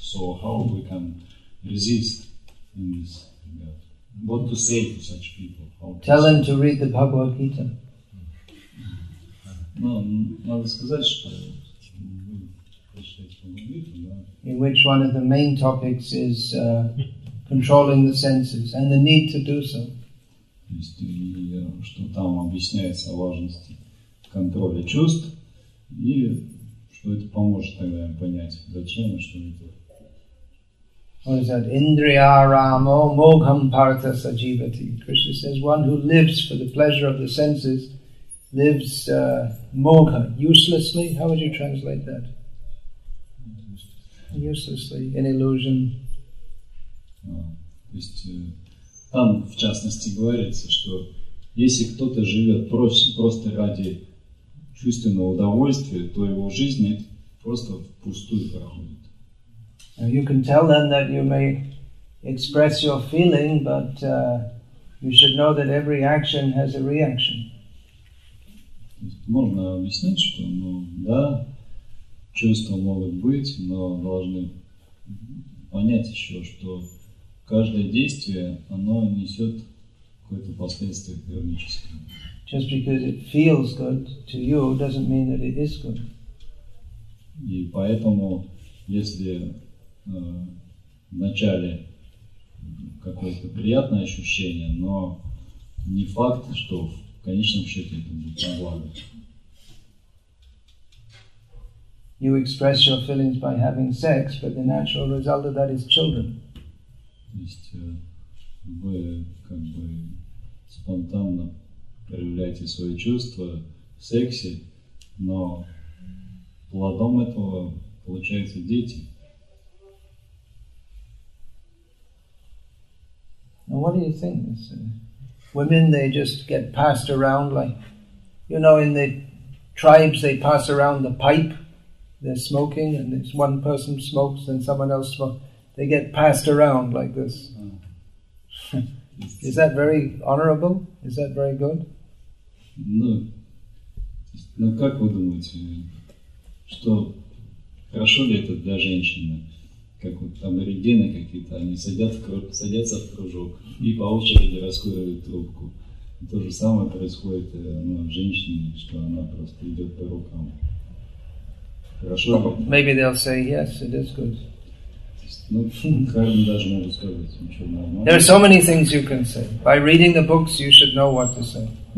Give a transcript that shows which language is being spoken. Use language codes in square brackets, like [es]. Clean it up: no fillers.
[en] So how we can resist in this regard? What to say to such people? Tell them to read the Bhagavad Gita. [ru] No, надо сказать, что мы прочитать Bhagavad Gita, да. [en] In which one of the main topics is controlling the senses and the need to do so. [ru] То есть, что там объясняется о важности контроля чувств, и что это поможет тогда им понять, зачем и что это. [en] What is that? [sa] Indriya Ramo Mogham Partha Sajivati. [en] Krishna says, one who lives for the pleasure of the senses lives mogha, uselessly. How would you translate that? Uselessly, in illusion. [ru] То есть, там, в частности, говорится, что если кто-то живет просто ради чувственного удовольствия, то его жизнь просто впустую проходит. [en] You can tell them that you may express your feeling, but you should know that every action has a reaction. [ru] Можно объяснить, что чувства могут быть, но должны понять еще, что каждое действие, оно несет какое-то последствие кармическое. [en] Just because it feels good to you doesn't mean that it is good. [ru] И поэтому, если вначале какое-то приятное ощущение, но не факт, что в конечном счете это будет на благо. [en] You express your feelings by having sex, but the natural result of that is children. [ru] То есть вы спонтанно проявляете свои чувства в сексе, но плодом этого получаются дети. [en] Now what do you think? Women, they just get passed around like, in the tribes they pass around the pipe, they're smoking, and it's one person smokes and someone else smokes. They get passed around like this. Is that very honorable? Is that very good? [ru] Ну, как вы думаете, что хорошо ли это для женщины? Как вот там аборигены какие-то, они садятся в кружок и по очереди раскуривают трубку. То же самое происходит с женщиной, что она просто идет по рукам. Хорошо? [en] Maybe they'll say yes, it is good. There are so many things you can say. By reading the books, you should know what to say.